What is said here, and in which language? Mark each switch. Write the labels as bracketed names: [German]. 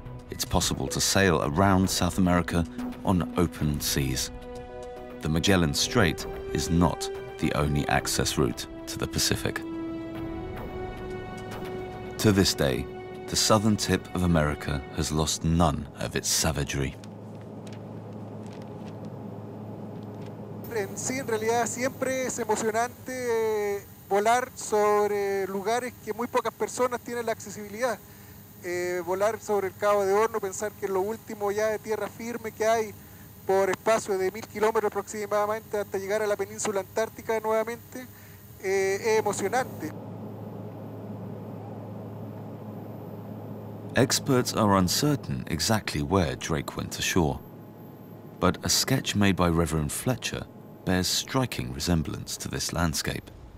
[English] It's possible to sail around South America on open seas. The Magellan Strait is not the only access route to the Pacific. To this day, the southern tip of America has lost none of its savagery. [Spanish] Sí, en realidad siempre es emocionante volar sobre lugares que muy pocas personas tienen la accesibilidad. Volar sobre el Cabo de Hornos, pensar que es lo último ya de tierra firme que hay por espacio de 1,000 kilómetros aproximadamente hasta llegar a la península Antártica nuevamente, es emocionante. [English] Experts are uncertain exactly where Drake went ashore, but a sketch made by Reverend Fletcher bears striking resemblance to this landscape.